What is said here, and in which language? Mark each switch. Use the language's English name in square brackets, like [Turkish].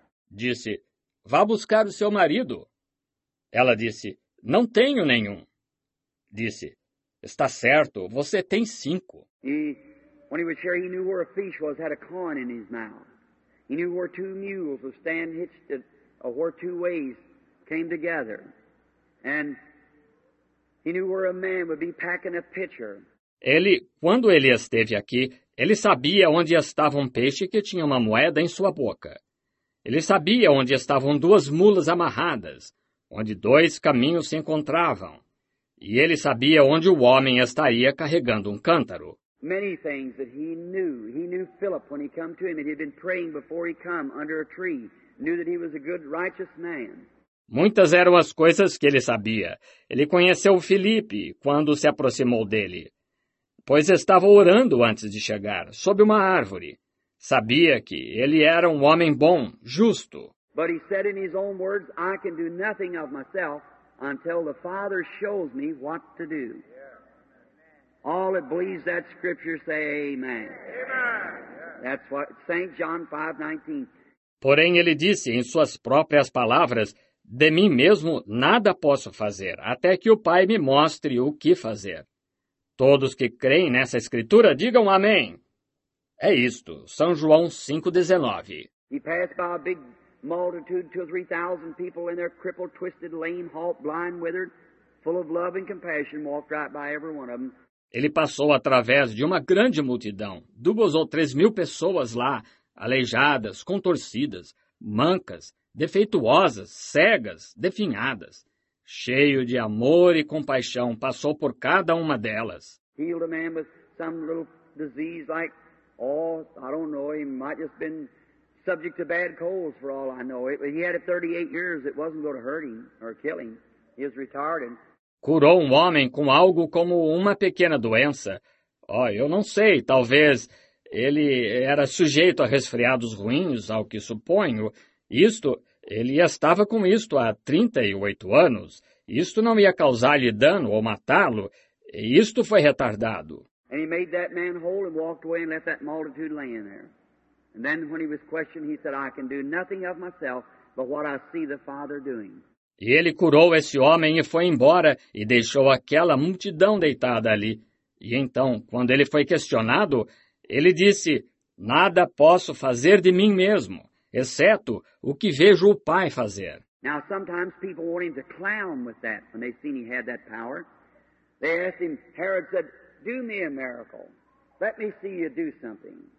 [Portuguese] Disse, "Vá buscar o seu marido." Ela disse, "Não tenho nenhum." Disse, "Está certo, você tem 5." [English] He, when he was here, he knew where a fish was, had a coin in his mouth. He knew where two mules would stand hitched at, where two ways came together. And he knew where a man would be packing a pitcher. [Portuguese] Ele, quando ele esteve aqui, ele sabia onde estava um peixe que tinha uma moeda em sua boca. Ele sabia onde estavam duas mulas amarradas, onde dois caminhos se encontravam. E ele sabia onde o homem estaria carregando um cântaro. [English] Many things that he knew. He knew Philip when he came to him, and he had been praying before he came under a tree. Knew that he was a good, righteous man. [Portuguese] Muitas eram as coisas que ele sabia. Ele conheceu Filipe quando se aproximou dele, pois estava orando antes de chegar, sob uma árvore. Sabia que ele era um homem bom, justo. [English] But he said in his own words, "I can do nothing of myself. Until the Father shows me what to do." Yeah. All that believes that scripture say amen. Yeah. That's what St. John 5:19. [Portuguese] Porém, ele disse em suas próprias palavras, "De mim mesmo nada posso fazer, até que o Pai me mostre o que fazer." Todos que creem nessa escritura digam amém. É isto, São João 5:19. [English] He passed by a big multitude, 2,000 or 3,000 people in there, crippled, twisted, lame, halt, blind, withered, full of love and compassion, walked right by every one of them. [Portuguese] Ele passou através de uma grande multidão, 2,000 or 3,000 pessoas lá, aleijadas, contorcidas, mancas, defeituosas, cegas, definhadas. Cheio de amor e compaixão, passou por cada uma delas. [English] Healed a man with some little disease like, I don't know, he might just been subject to bad colds for all I know. He had it 38 years. It wasn't going to hurt him or kill him. He was retarded. [Portuguese] Curou um homem com algo como uma pequena doença. Eu não sei. Talvez ele era sujeito a resfriados ruins, ao que suponho. Isto, ele estava com isto há 38 anos. Isto não ia causar-lhe dano ou matá-lo. Isto foi retardado. [English] And he made that man whole and walked away and left that multitude laying there. And then when he was questioned, he said, "I can do nothing of myself but what I see the Father doing." [Portuguese] E ele curou esse homem e foi embora e deixou aquela multidão deitada ali. E então, quando ele foi questionado, ele disse, "Nada posso fazer de mim mesmo, exceto o que vejo o Pai fazer." [English] Now, sometimes people want him to clown with that when they've seen he had that power. They asked him, Herod said, do me a miracle. Let me see you do something.